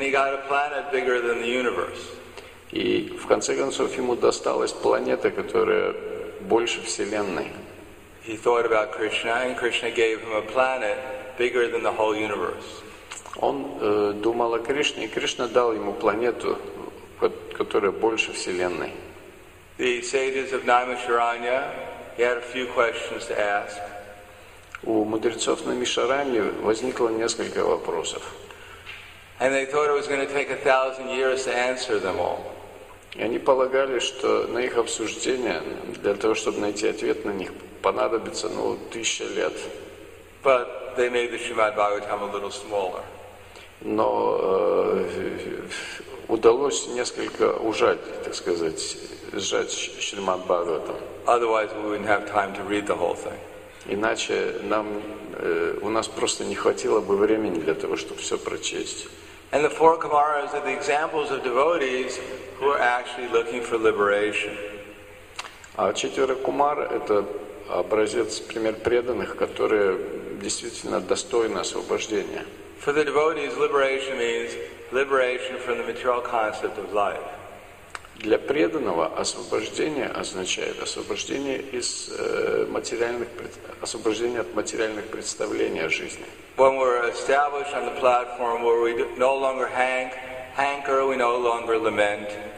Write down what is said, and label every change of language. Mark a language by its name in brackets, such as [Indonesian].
[English] And he got a planet bigger than the universe. [Russian] И в конце концов ему досталась планета, которая больше Вселенной. [English] He thought about Krishna, and Krishna gave him a planet bigger than the whole universe. [Russian] Он думал о Кришне, и Кришна дал ему планету, которая больше Вселенной. [English] The sages of Naimisharanya, he had a few questions to ask. [Russian] У мудрецов Наймишараньи возникло несколько вопросов. [English] And they thought it was going to take 1,000 years to answer them all. [Russian] И они полагали, что на их обсуждение, для того, чтобы найти ответ на них, понадобится, ну, 1,000 лет. [English] But they made the Srimad Bhagavatam a little smaller. [Russian] Но удалось несколько ужать, так сказать, сжать Шримад Бхагаватам. [English] Otherwise we wouldn't have time to read the whole thing. [Russian] Иначе нам, у нас просто не хватило бы времени для того, чтобы все прочесть. [English] And the four Kumaras are the examples of devotees who are actually looking for liberation. [Russian] А четверо Кумар — это образец, пример преданных, которые действительно достойны освобождения. [English] For the devotees, liberation means liberation from the material concept of life. [Russian] Для преданного освобождение означает освобождение из материальных освобождение от материальных представлений о жизни. [English] When we're established on the platform where we no longer hanker, we no longer lament.